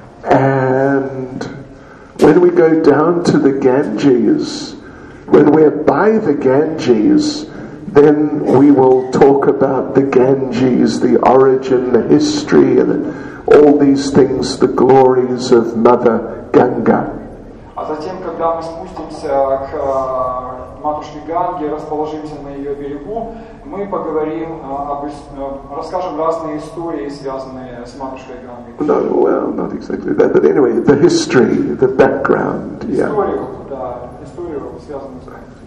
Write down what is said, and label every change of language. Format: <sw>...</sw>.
<en>And when we go down to the Ganges, when we're by the Ganges, then we will talk about the Ganges, the origin, the history, and all these things, the glories of Mother Ganga.</en> <ru>А затем, когда мы спустимся к матушке Ганге, расположимся на ее берегу, мы поговорим расскажем разные истории, связанные с матушкой Гангой.</ru> <en>No, well, not exactly that, but anyway, the history, the background.</en> <ru>Историю, связанную с Гангой.</ru>